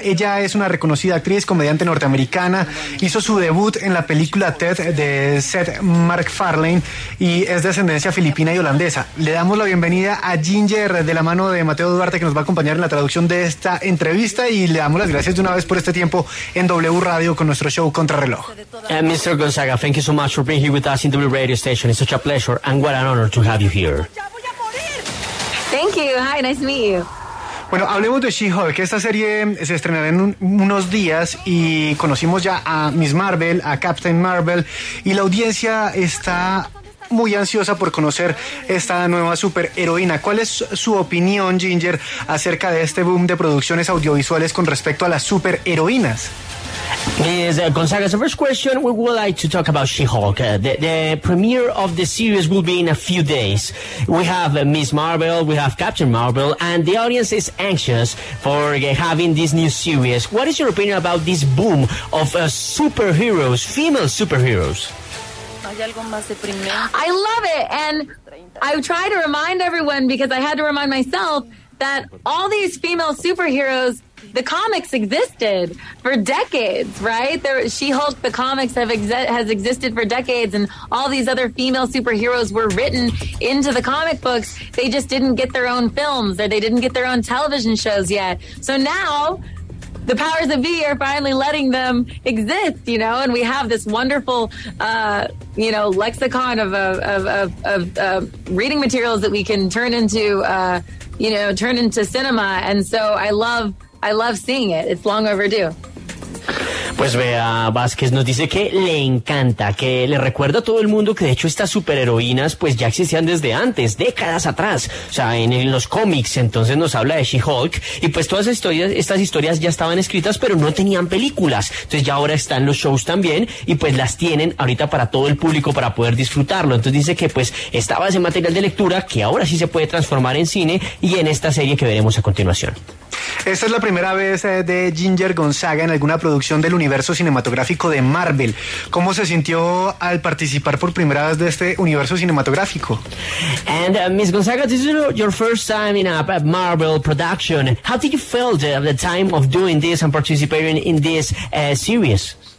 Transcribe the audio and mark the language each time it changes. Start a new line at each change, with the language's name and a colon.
Spanish: Ella es una reconocida actriz, comediante norteamericana, hizo su debut en la película Ted de Seth MacFarlane y es de ascendencia filipina y holandesa. Le damos la bienvenida a Ginger de la mano de Mateo Duarte, que nos va a acompañar en la traducción de esta entrevista, y le damos las gracias de una vez por este tiempo en W Radio con nuestro show Contrarreloj.
English: Mr. Gonzaga, thank you so much for being here with us in W Radio Station. It's such a pleasure and what an honor to have you here. Thank you. Hi, nice to meet you.
Spanish: Bueno, hablemos de She-Hulk. Esta serie se estrenará en unos días y conocimos ya a Miss Marvel, a Captain Marvel, y la audiencia está muy ansiosa por conocer esta nueva superheroína. ¿Cuál es su opinión, Ginger, acerca de este boom de producciones audiovisuales con respecto a las superheroínas?
English: Is Gonzaga, the first question, we would like to talk about She-Hulk. The premiere of the series will be in a few days. We have Miss Marvel, we have Captain Marvel, and the audience is anxious for having this new series. What is your opinion about this boom of superheroes, female superheroes? I love it, and I try to remind everyone, because I had to remind myself, that all these female superheroes, the comics existed for decades, right? She-Hulk, the comics, has existed for decades, and all these other female superheroes were written into the comic books. They just didn't get their own films, or they didn't get their own television shows yet. So now, the powers that be are finally letting them exist, you know, and we have this wonderful, you know, lexicon of reading materials that we can turn into, you know, turn into cinema. And so I love seeing it. It's long overdue.
Spanish: Pues Bea Vázquez nos dice que le encanta, que le recuerda a todo el mundo que de hecho estas superheroínas pues ya existían desde antes, décadas atrás, o sea, en los cómics. Entonces nos habla de She-Hulk y pues todas estas historias ya estaban escritas pero no tenían películas, entonces ya ahora están los shows también y pues las tienen ahorita para todo el público para poder disfrutarlo. Entonces dice que pues estaba ese material de lectura que ahora sí se puede transformar en cine y en esta serie que veremos a continuación. Esta es la primera vez de Ginger Gonzaga en alguna producción del universo cinematográfico de Marvel. ¿Cómo se sintió al participar por primera vez de este universo cinematográfico?
English: And Miss Gonzaga, this is your first time in a Marvel production. How did you feel at the time of doing this and participating in this series?